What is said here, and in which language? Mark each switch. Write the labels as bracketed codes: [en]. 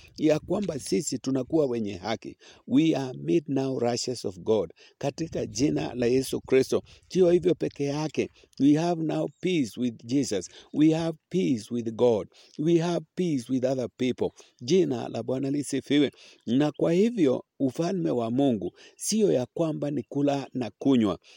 [sw] Ya kwamba sisi tunakuwa wenye haki. [en] We are made now righteous of God. [sw] Katika jina la Yesu Kristo. Tio hivyo peke yake. [en] We have now peace with Jesus. We have peace with God. We have peace with other people. [sw] Jina la Bwana lisifiwe. Na kwa hivyo ufalme wa Mungu sio ya kwamba ni kula na kunywa.